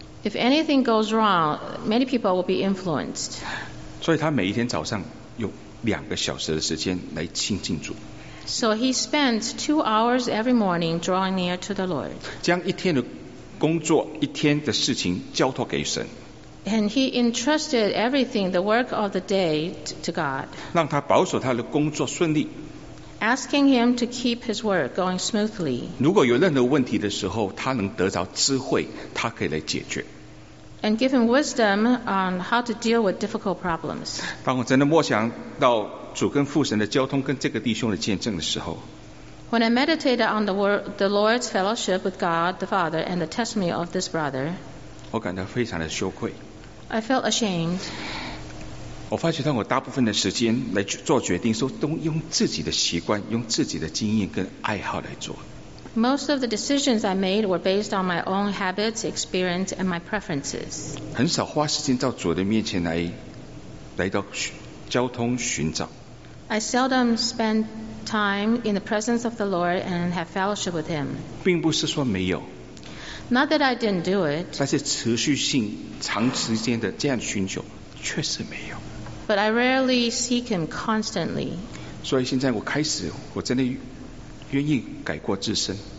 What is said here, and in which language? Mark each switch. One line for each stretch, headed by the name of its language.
English: If anything goes wrong, many people will be influenced.
Chinese: 所以他每一天早上用两个小时的时间来亲近主。
English: So he spends 2 hours every morning drawing near to the Lord.
Chinese: 将一天的工作、一天的事情交托给神。
English: And he entrusted everything, the work of the day, to God.
Chinese: 让他保守他的工作顺利。
English: Asking him to keep his work going smoothly.
Chinese: 如果有任何问题的时候，他能得着智慧，他可以来解决。
English: And give him wisdom on how to deal with difficult problems.
Chinese: 当我真的默想到主跟父神的交通跟这个弟兄的见证的时候
English: ，When I meditated on the Lord's fellowship with God the Father and the testimony of this brother,
Chinese: 我感到非常的羞愧。
English: I felt ashamed.
Chinese: 我发觉到我大部分的时间来做决定说都用自己的习惯用自己的经验跟爱好来做
English: Most of the decisions I made were based on my own habits, experience and my preferences
Chinese: 很少花时间到主的面前来到交通寻找
English: I seldom spend time in the presence of the Lord and have fellowship with him
Chinese: 并不是说没有
English: Not that I didn't do it
Chinese: 但是持续性长时间的这样寻求确实没有
English: But I rarely seek him constantly.
Chinese: 所以现在我开始，我真的愿意改过自身。